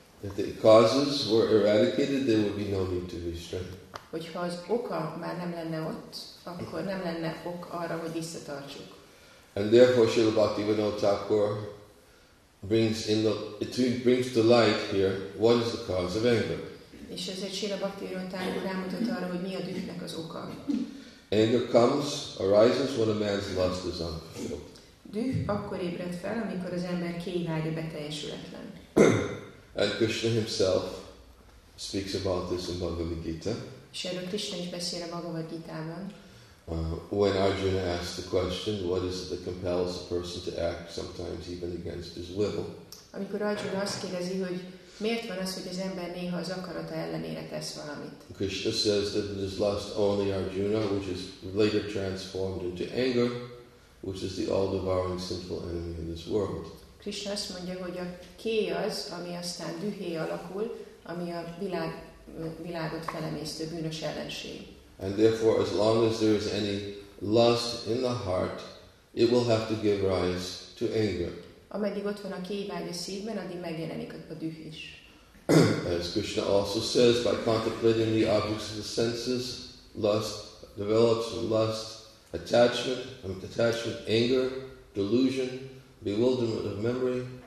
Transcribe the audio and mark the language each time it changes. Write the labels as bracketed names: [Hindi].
[English] If the causes were eradicated, there would be no need to restrain. [Hungarian] Hogyha az oka már nem lenne ott, akkor nem lenne ok arra, hogy visszatartsuk. [English] And therefore, Srila Bhaktivinoda Thakur brings to light here what is the cause of anger. [Hungarian] És ezért Srila Bhaktivinoda Thakur rámutat arra, hogy mi a dühnek az oka. [English] Anger arises when a man's lust is unfulfilled. [Hungarian] Düh akkor ébred fel, amikor az ember kényvágya beteljesületlen. [English] And Krishna himself speaks about this in Bhagavad Gita. [Hungarian] És erről Krishna is beszél a Bhagavad Gita-ban. [English] When Arjuna asks the question, what is it that compels a person to act sometimes even against his will? [Hungarian] Amikor Arjuna azt kérdezi, hogy miért van az, hogy az ember néha az akarata ellenére tesz valamit? [English] Krishna says that it is lust only, Arjuna, which is later transformed into anger, which is the all-devouring sinful enemy in this world. [Hungarian] Krishna azt mondja, hogy a kéj az, ami aztán dühé alakul, ami a világot felemésztő bűnös ellenség. [English] And therefore, as long as there is any lust in the heart, it will have to give rise to anger. [Hungarian] Ameddig ott van a kéjvágy a szívben, addig megjelenik a düh is. [English] As Krishna also says, by contemplating the objects of the senses, lust develops from lust, attachment, anger, delusion, bewilderment of memory.